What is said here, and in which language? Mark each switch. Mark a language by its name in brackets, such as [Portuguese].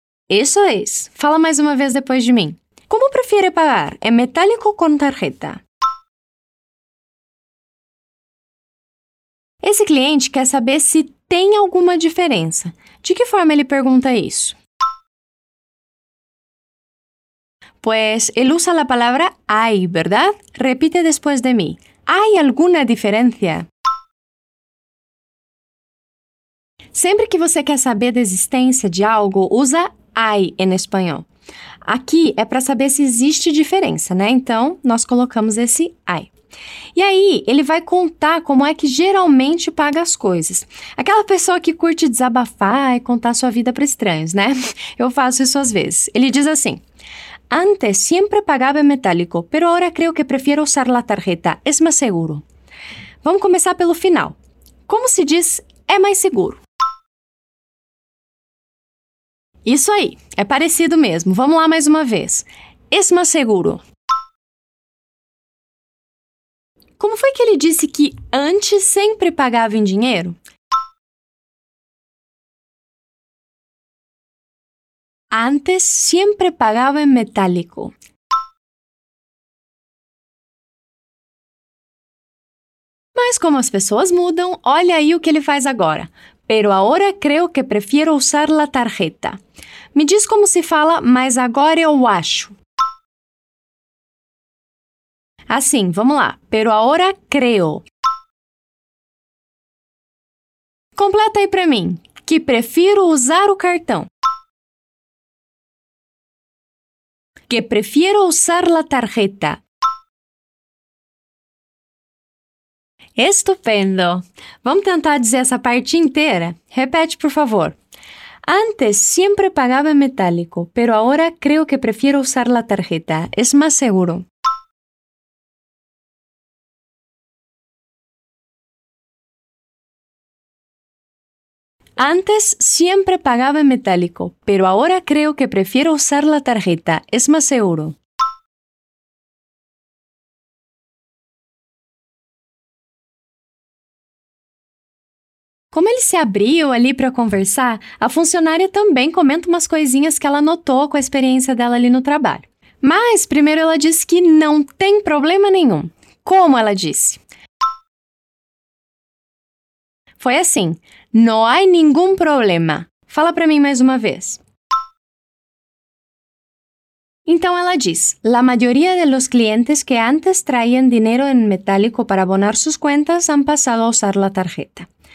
[Portuguese] Isso é isso. Fala mais uma vez depois de mim. Como prefere pagar? É metálico ou com tarjeta? Esse cliente quer saber se tem alguma diferença. De que forma ele pergunta isso? [Spanish] Pues, él usa la palabra hay, ¿verdad? Repite después de mí. ¿Hay alguna diferencia? [Portuguese] Sempre que você quer saber da existência de algo, usa hay en español. Aqui é para saber se existe diferença, né? Então, nós colocamos esse hay. E aí, ele vai contar como é que geralmente paga as coisas. Aquela pessoa que curte desabafar e contar sua vida para estranhos, né? Eu faço isso às vezes. Ele diz assim... Antes, sempre pagava em metálico, [Spanish] pero ahora creo que prefiero usar la tarjeta, es más seguro. [Portuguese] Vamos começar pelo final. Como se diz, é mais seguro? Isso aí, é parecido mesmo. Vamos lá mais uma vez. [Spanish] Es más seguro. [Portuguese] Como foi que ele disse que antes sempre pagava em dinheiro? [Spanish] Antes, siempre pagaba en metálico. [Portuguese] Mas como as pessoas mudam, olha aí o que ele faz agora. [Spanish] Pero ahora creo que prefiero usar la tarjeta. [Portuguese] Me diz como se fala, mas agora eu acho. Assim, vamos lá. [Spanish] Pero ahora creo. [Portuguese] Completa aí para mim. Que prefiro usar o cartão. [Spanish] Que prefiero usar la tarjeta. [Portuguese] Estupendo! Vamos tentar dizer essa parte inteira? Repete, por favor. [Spanish] Antes, siempre pagaba en metálico, pero ahora creo que prefiero usar la tarjeta. Es más seguro. Antes siempre pagaba en metálico, pero ahora creo que prefiero usar la tarjeta. Es más seguro. [Portuguese] Como ele se abriu ali para conversar, a funcionária também comenta umas coisinhas que ela notou com a experiência dela ali no trabalho. Mas primeiro ela disse que não tem problema nenhum. Como ela disse? Foi assim. [Spanish] No hay ningún problema. [Portuguese] Fala para mim mais uma vez. Então ela diz: [Spanish] La mayoría de los clientes que antes traían dinero en metálico para abonar sus cuentas han pasado a usar la tarjeta.